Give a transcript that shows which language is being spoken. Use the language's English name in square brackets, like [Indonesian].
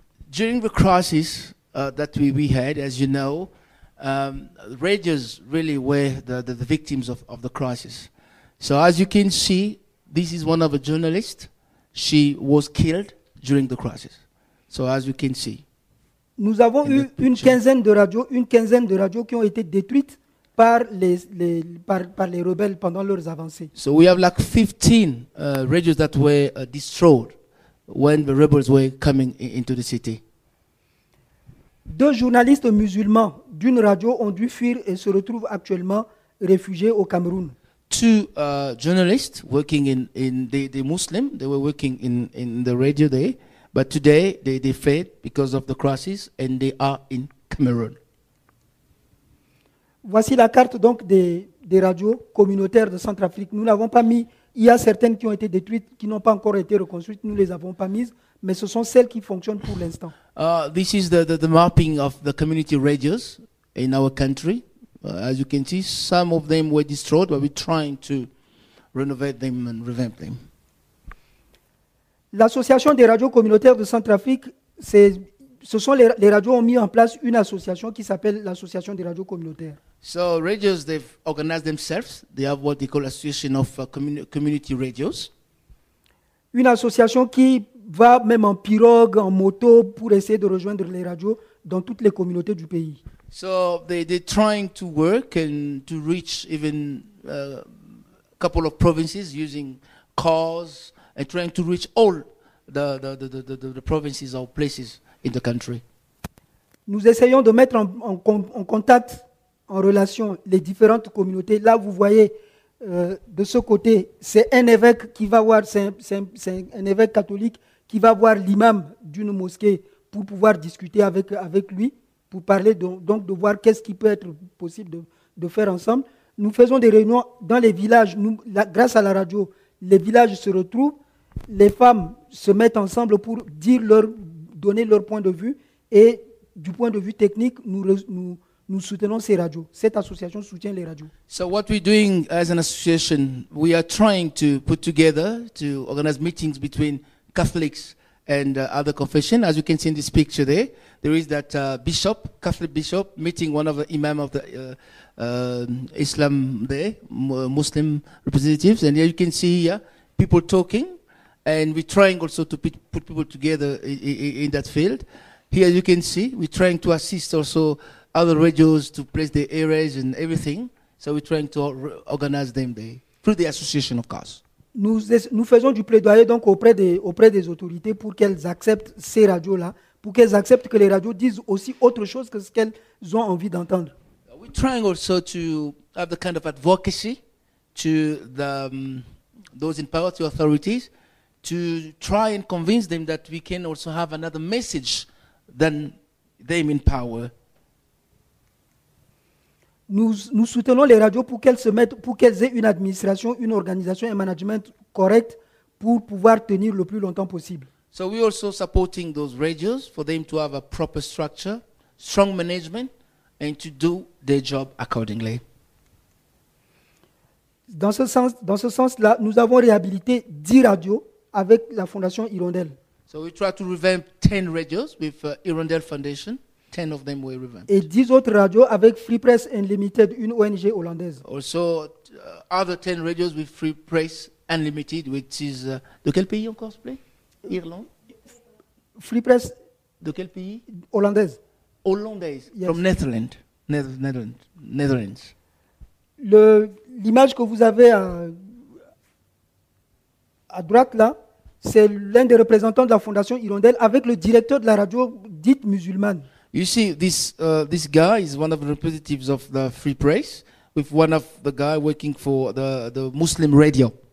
[English] During the crisis that we had, as you know, radios really were the victims of the crisis. So as you can see, this is one of the journalists. She was killed during the crisis. So as you can see. [French] Nous avons eu une quinzaine de radios qui ont été détruites par les rebelles pendant leurs avancées. [English] So we have like 15 radios that were destroyed when the rebels were coming into the city. [French] Deux journalistes musulmans d'une radio ont dû fuir et se retrouvent actuellement réfugiés au Cameroun. [English] Two journalists working in the Muslim, they were working in the radio there, but today they fled because of the crisis and they are in Cameroon. [French] Voici la carte donc des radios communautaires de Centrafrique. Nous n'avons pas mis, il y a certaines qui ont été détruites, qui n'ont pas encore été reconstruites, nous ne les avons pas mises, mais ce sont celles qui fonctionnent pour l'instant. [English] This is the mapping of the community radios in our country. As you can see, some of them were destroyed, but we're trying to renovate them and revamp them. [French] L'association des radios communautaires de Centrafrique, ce sont les radios ont mis en place une association qui s'appelle l'association des radios communautaires. [English] So radios, they've organized themselves. They have what they call association of community radios. [French] Une association qui va même en pirogue, en moto, pour essayer de rejoindre les radios dans toutes les communautés du pays. [English] So they're trying to work and to reach even a couple of provinces using cars and trying to reach all the provinces or places in the country. [French] Nous essayons de mettre en contact, en relation les différentes communautés. Là, vous voyez De ce côté, c'est un évêque qui va voir, c'est un évêque catholique qui va voir l'imam d'une mosquée pour pouvoir discuter avec lui, pour parler donc de voir qu'est-ce qui peut être possible de faire ensemble. Nous faisons des réunions dans les villages. Grâce à la radio, les villages se retrouvent, les femmes se mettent ensemble pour donner leur point de vue. Et du point de vue technique, nous soutenons ces radios. Cette association soutient les radios. [English] So what we're doing as an association, we are trying to put together to organize meetings between Catholics and other confession. As you can see in this picture there, there is that bishop, Catholic bishop, meeting one of the imam of the Islam there, Muslim representatives. And here you can see here people talking, and we're trying also to put people together in that field. Here you can see we're trying to assist also other radios to place their areas and everything. So we're trying to organize them there through the association, of course. [French] Nous faisons du plaidoyer donc auprès des autorités pour qu'elles acceptent ces radios-là, pour qu'elles acceptent que les radios disent aussi autre chose que ce qu'elles ont envie d'entendre. [English] We're trying also to have the kind of advocacy to the those in power, to authorities, to try and convince them that we can also have another message than them in power. [French] Nous soutenons les radios pour qu'elles se mettent, pour qu'elles aient une administration, une organisation, un management correct pour pouvoir tenir le plus longtemps possible. [English] So we're also supporting those radios for them to have a proper structure, strong management, and to do their job accordingly. [French] Dans ce sens-là, nous avons réhabilité 10 radios avec la Fondation Hirondelle. [English] So we try to revamp 10 radios with Hirondelle Foundation. 10 of them were revamped. [French] Et 10 autres radios avec Free Press Unlimited, une ONG hollandaise. [English] Also, other 10 radios with Free Press Unlimited, which is... [French] De quel pays encore, s'il vous plaît? Irlande? Free Press... De quel pays? Hollandaise. [English] Hollandaise, yes. From Netherlands. Netherlands. [French] L'image que vous avez à droite, là, c'est l'un des représentants de la Fondation Hirondelle avec le directeur de la radio dite musulmane. [English] You see, this guy is one of the representatives of the Free Press with one of the guy working for the Muslim radio.